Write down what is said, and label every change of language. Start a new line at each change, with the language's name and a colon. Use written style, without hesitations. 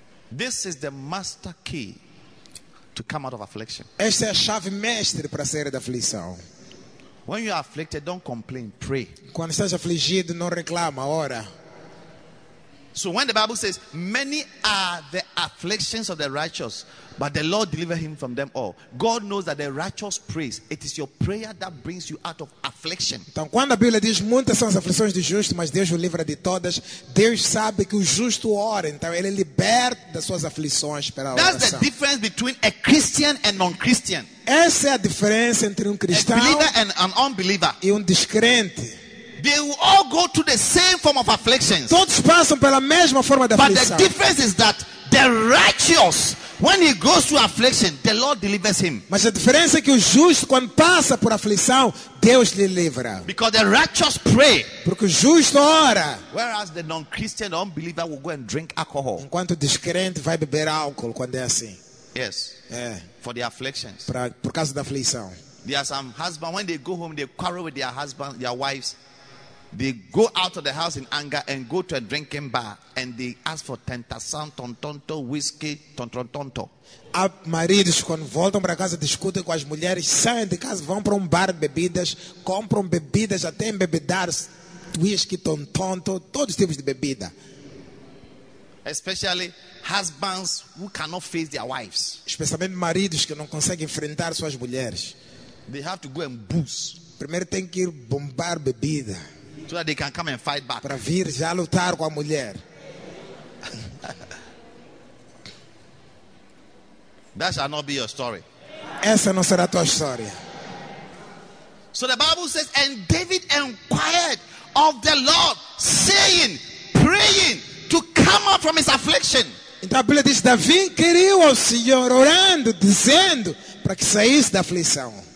English: This is the master key to come out of affliction.
Portuguese: Esta é a chave mestre para sair da aflição.
English: When you are afflicted, don't complain, pray.
Portuguese: Quando estás afligido, não reclama, ora.
English: So when the Bible says, many are the afflictions of the righteous, but the Lord deliver him from them all. God knows that the righteous prays. It is your prayer that brings you out of affliction.
Portuguese: Então, quando a Bíblia diz, muitas são as aflições do justo, mas Deus o livra de todas, Deus sabe que o justo ora. Então, ele liberta das suas aflições pela oração.
English: That's the difference between a Christian and non-Christian.
Portuguese: Essa é a diferença entre cristão
English: a believer and an unbeliever.
Portuguese: E descrente.
English: They will all go through the same form of afflictions.
Portuguese: Todos passam pela mesma forma de aflição.
English: But the difference is that the righteous, when he goes through affliction, the Lord delivers him.
Portuguese: Mas a diferença é que o justo, quando passa por aflição, Deus lhe livra.
English: Because the righteous pray.
Portuguese: Porque o justo ora.
English: Whereas the non-Christian unbeliever will go and drink alcohol.
Portuguese: Enquanto o descrente vai beber álcool quando é assim.
English: Yes.
Portuguese: É.
English: For the afflictions.
Portuguese: Por causa da aflição.
English: There are some husbands, when they go home, they quarrel with their husband, their wives. They go out of the house in anger and go to a drinking bar and they ask for tentação, tontonto, whiskey, tontonto.
Portuguese: Há maridos quando voltam para casa discutem com as mulheres, saem de casa, vão para bar de bebidas, compram bebidas, até embebedar whiskey, tontonto, todos os tipos de bebida. Especially husbands who cannot face their wives. Especialmente maridos que não conseguem enfrentar suas mulheres.
English: They have to go and boost.
Portuguese: Primeiro tem que ir bombar bebida.
English: So that they can come and fight back.
Portuguese: Para vir já lutar com a mulher.
English: That shall not be your story.
Portuguese: Essa não será tua história.
English: So the Bible says, and David inquired of the Lord, saying, praying to come up from his affliction.
Portuguese: Então a Bíblia diz, Davi inquiriu ao Senhor, orando, dizendo, para que saísse da aflição.